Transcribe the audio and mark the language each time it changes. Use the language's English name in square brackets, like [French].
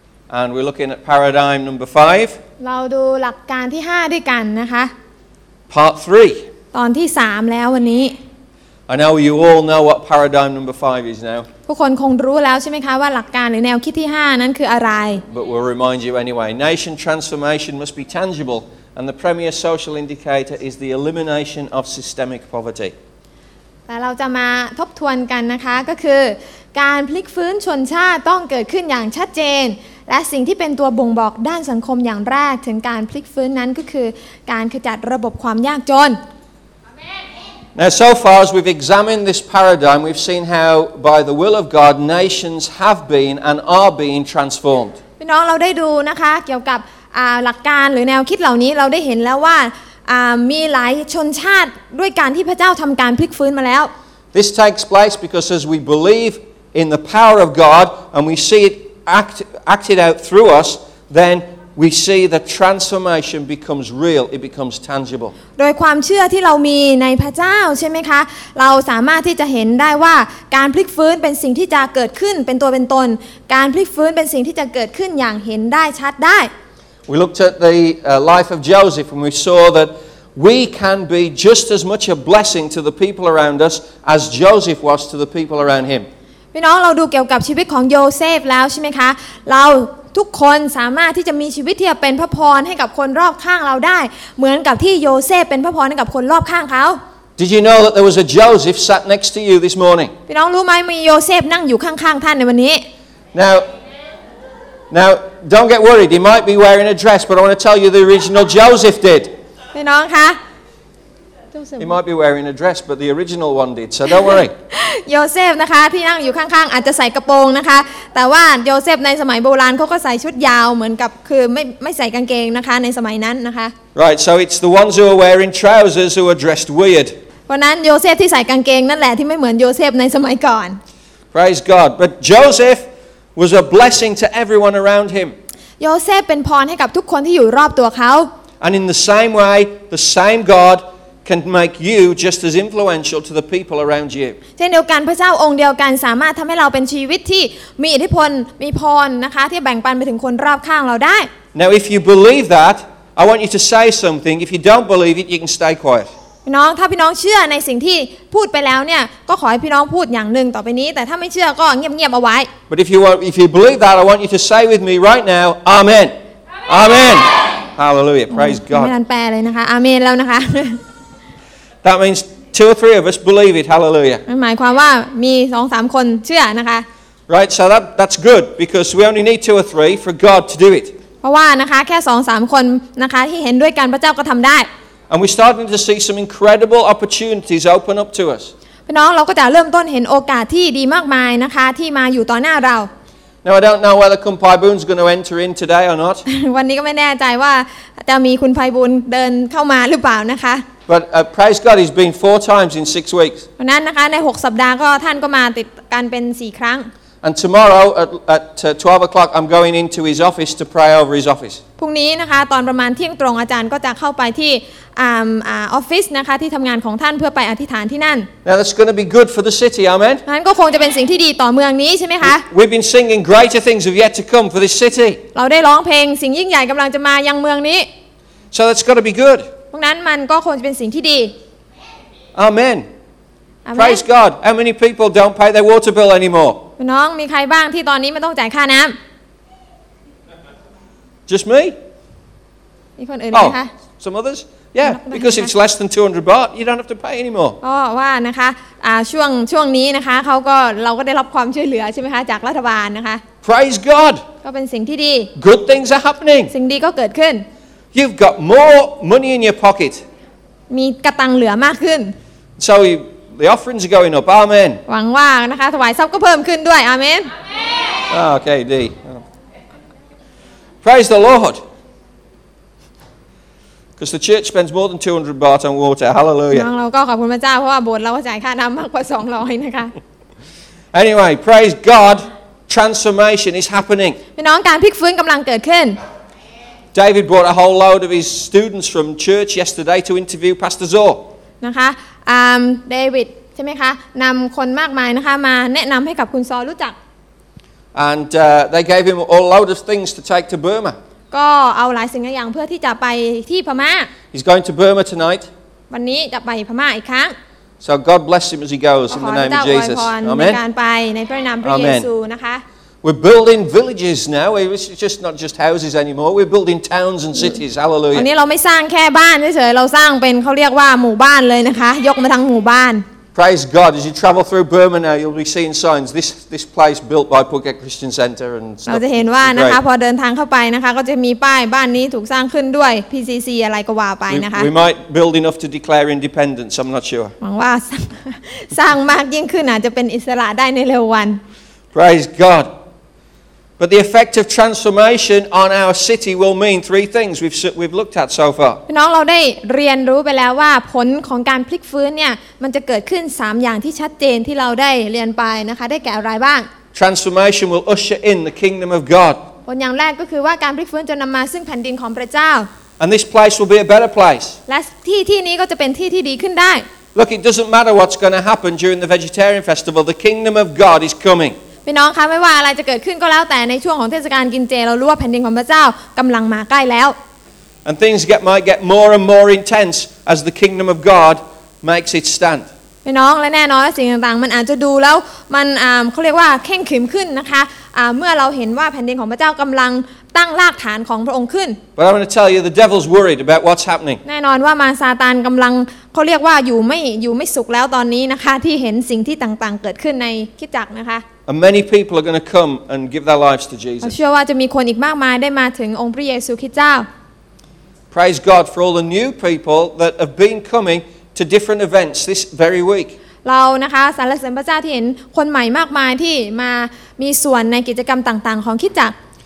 [English] And we're looking at paradigm number five. [Thai] เราดูหลักการที่ 5 ด้วยกันนะคะ [English] Part 3. [Thai] ตอนที่ 3 แล้ววันนี้ [English] I know you all know what paradigm number 5 is now. [Thai] ทุกคนคงรู้แล้วใช่ไหมคะว่าหลักการหรือแนวคิดที่5นั้นคืออะไร [English] But we'll remind you anyway. Nation transformation must be tangible, and the premier social indicator is the elimination of systemic poverty. [Thai] แต่เราจะมาทบทวนกันนะคะก็คือการพลิกฟื้นชนชาติต้องเกิดขึ้นอย่างชัดเจนและสิ่งที่เป็นตัวบ่งบอกด้านสังคมอย่างแรกถึงการพลิกฟื้นนั้นก็คือการขจัดระบบความยากจน [English] Now, so far as we've examined this paradigm, we've seen how, by the will of God, nations have been and are being transformed. [Thai] พี่น้องเราได้ดูนะคะเกี่ยวกับหลักการหรือแนวคิดเหล่านี้เราได้เห็นแล้วว่ามีหลายชนชาติด้วยการที่พระเจ้าทำการพลิกฟื้นมาแล้ว [English] This takes place because as we believe in the power of God and we see it acted out through us, then. We see the transformation becomes real. It becomes tangible. [Thai] โดยความเชื่อที่เรามีในพระเจ้าใช่ไหมคะเราสามารถที่จะเห็นได้ว่าการพลิกฟื้นเป็นสิ่งที่จะเกิดขึ้นเป็นตัวเป็นตนการพลิกฟื้นเป็นสิ่งที่จะเกิดขึ้นอย่างเห็นได้ชัดได้ [English] We looked at the life of Joseph and we saw that we can be just as much a blessing to the people around us as Joseph was to the people around him. [Thai] พี่น้องเราดูเกี่ยวกับชีวิตของโยเซฟแล้วใช่ไหมคะเราทุกคนสามารถที่จะมีชีวิตที่จะเป็นพระพรให้กับคนรอบข้างเราได้เหมือนกับที่โยเซฟเป็นพระพรให้กับคนรอบข้างเขา [English] Did you know that there was a Joseph sat next to you this morning [Thai] พี่น้องรู้ไหมมีโยเซฟนั่งอยู่ข้างๆท่านในวันนี้ [English] Now don't get worried he might be wearing a dress but I want to tell you the original Joseph did [Thai] พี่น้องคะ [English] He might be wearing a dress but the original one did so don't worry [Thai] โยเซฟนะคะที่นั่งอยู่ข้างๆอาจจะใส่กระโปรงนะคะแต่ว่าโยเซฟในสมัยโบราณเขาก็ใส่ชุดยาวเหมือนกับคือไม่ใส่กางเกงนะคะในสมัยนั้นนะคะ [English] Right so it's the ones who are wearing trousers who are dressed weird [Thai] เพราะนั้นโยเซฟที่ใส่กางเกงนั่นแหละที่ไม่เหมือนโยเซฟในสมัยก่อน [English] Praise God but Joseph was a blessing to everyone around him [Thai] โยเซฟเป็นพรให้กับทุกคนที่อยู่รอบตัวเขา [English] And in the same way the same GodCan make you just as influential to the people around you. [Thai] เช่นเดียวกันพระเจ้าองค์เดียวกันสามารถทำให้เราเป็นชีวิตที่มีอิทธิพลมีพรนะคะที่แบ่งปันไปถึงคนรอบข้างเราได้ [English] Now if you believe that, I want you to say something. If you don't believe it, you can stay quiet. [Thai] พี่น้องถ้าพี่น้องเชื่อในสิ่งที่พูดไปแล้วเนี่ยก็ขอให้พี่น้องพูดอย่างหนึ่งต่อไปนี้แต่ถ้าไม่เชื่อก็เงียบๆเอาไว้ [English] But if you believe that, I want you to say with me right now, Amen, Amen, Hallelujah, Praise God. [Thai] ไม่ทันแปลเลยนะคะ Amen แล้วนะคะ [English] That means two or three of us believe it. Hallelujah. [Thai] หมายความว่ามี 2-3 คนเชื่อนะคะ [English] Right, so that's good because we only need two or three for God to do it. [Thai] เพราะว่านะคะแค่ 2-3 คนนะคะที่เห็นด้วยกันพระเจ้าก็ทำได้ [English] And we're starting to see some incredible opportunities open up to us. [Thai] พี่น้องเราก็จะเริ่มต้นเห็นโอกาสที่ดีมากมายนะคะที่มาอยู่ต่อหน้าเรา [English] Now I don't know whether Kumpai Boone's going to enter in today or not. [Thai] วันนี้ก็ไม่แน่ใจว่าจะมีคุณไพบูลย์เดินเข้ามาหรือเปล่านะคะ [English] But praise God, he's been four times in 6 weeks. [Thai] นั้นนะคะใน6สัปดาห์ก็ท่านก็มาติดกันเป็น4ครั้ง [English] And tomorrow at 12 o'clock, I'm going into his office to pray over his office. [Thai] พรุ่งนี้นะคะตอนประมาณเที่ยงตรงอาจารย์ก็จะเข้าไปที่ออฟฟิศนะคะที่ทำงานของท่านเพื่อไปอธิษฐานที่นั่น [English] Now that's going to be good for the city, amen. [Thai] นั้นก็คงจะเป็นสิ่งที่ดีต่อเมืองนี้ใช่ไหมคะ [English] We've been singing greater things have yet to come for this city. [Thai] เราได้ร้องเพลงสิ่งยิ่งใหญ่กำลังจะมายังเมืองนี้ [English] So that's going to be good. [Thai] ดังนั้นมันก็คงจะเป็นสิ่งที่ดี [English] Amen. Praise God. How many people don't pay their water bill anymore? [Thai] น้องมีใครบ้างที่ตอนนี้ไม่ต้องจ่ายค่าน้ำ [English] Just me? [Thai] มีคนอื่นไหมคะ [English] Some others? Yeah, because it's less than 200 baht, you don't have to pay anymore. [Thai] อ๋อว่านะคะช่วงนี้นะคะเขาก็เราก็ได้รับความช่วยเหลือใช่ไหมคะจากรัฐบาลนะคะ [English] Praise God. [Thai] ก็เป็นสิ่งที่ดี [English] Good things are happening. [Thai] สิ่งดีก็เกิดขึ้น [English] You've got more money in your pocket. [Thai] มีกระตังเหลือมากขึ้น [English] So The offerings are going up. Amen. [Thai] หวังว่านะคะถวายทรัพย์ก็เพิ่มขึ้นด้วย Amen. [English] Amen. Okay, D. Praise the Lord. Because the church spends more than 200 baht on water. Hallelujah. [Thai] เราก็ขอบคุณพระเจ้าเพราะว่าโบสถ์เราจ่ายค่าน้ำมากกว่า200นะคะ [English] Anyway, praise God. Transformation is happening. [Thai] พี่น้องการพลิกฟื้นกำลังเกิดขึ้น [English] David brought a whole load of his students from church yesterday to interview Pastor Zor. [Thai] นะคะเดวิดใช่ไหมคะนำคนมากมายนะคะมาแนะนำให้กับคุณซอรู้จัก [English] and they gave him a load of things to take to Burma [Thai] ก็เอาหลายสิ่งหลายอย่างเพื่อที่จะไปที่พม่า [English] he's going to Burma tonight [Thai] วันนี้จะไปพม่าอีกครั้ง [English] so God bless him as he goes in the name of Jesus [Thai] amen การไปในพระนามพระเยซูนะคะ [English] we're building villages now it's just not just houses anymore we're building towns and cities hallelujah [Thai] อันนี้เราไม่สร้างแค่บ้านเฉยๆเราสร้างเป็นเขาเรียกว่าหมู่บ้านเลยนะคะยกมาทั้งหมู่บ้าน [English] praise god as you travel through burma now you'll be seeing signs this place built by phuket christian center and stuff [Thai] เราจะเห็นว่านะคะพอเดินทางเข้าไปนะคะก็จะมีป้ายบ้านนี้ถูกสร้างขึ้นด้วย PCC อะไรก็ว่าไปนะคะ [English] we might build enough to declare independence i'm not sure [Thai] หวังว่าสร้างมากยิ่งขึ้นอาจจะเป็นอิสระได้ในเร็ววัน [English] praise godBut the effect of transformation on our city will mean three things we've looked at so far. [Thai] พี่น้องเราได้เรียนรู้ไปแล้วว่าผลของการพลิกฟื้นเนี่ยมันจะเกิดขึ้น3อย่างที่ชัดเจนที่เราได้เรียนไปนะคะได้แก่อะไรบ้าง [English] Transformation will usher in the kingdom of God. [Thai] ผลอย่างแรกก็คือว่าการพลิกฟื้นจะนำมาซึ่งแผ่นดินของพระเจ้า [English] And this place will be a better place. [Thai] และที่นี้ก็จะเป็นที่ที่ดีขึ้นได้ [English] Look, it doesn't matter what's going to happen during the vegetarian festival. The kingdom of God is coming. [Thai] พี่น้องคะไม่ว่าอะไรจะเกิดขึ้นก็แล้วแต่ในช่วงของเทศกาลกินเจเรารู้ว่าแผ่นดินของพระเจ้ากำลังมาใกล้แล้ว [English] And things might get more and more intense as the kingdom of God makes its stand [Thai] พี่น้องและแน่นอนว่าสิ่งต่างๆมันอาจจะดูแล้วมันเขาเรียกว่าเข่งขึ้นขึ้นนะคะเมื่อเราเห็นว่าแผ่นดินของพระเจ้ากำลังตั้งรากฐานของพระองค์ขึ้น [English] But I'm going to tell you the devil's worried about what's happening [Thai] แน่นอนว่ามารซาตานกำลังเขาเรียกว่าอยู่ไม่สุขแล้วตอนนี้นะคะที่เห็นสิ่งที่ต่างๆเกิดขึ้นในคริสตจักรนะคะ [English] And many people are going to come and give their lives to Jesus. [Thai] เชื่อว่าจะมีคนอีกมากมายได้มาถึงองค์พระเยซูคริสต์เจ้า [English] Praise God for all the new people that have been coming to different events this very week. [Thai] เรานะคะสรรเสริญพระเจ้าที่เห็นคนใหม่มากมายที่มามีส่วนในกิจกรรมต่างๆของคริสตจักร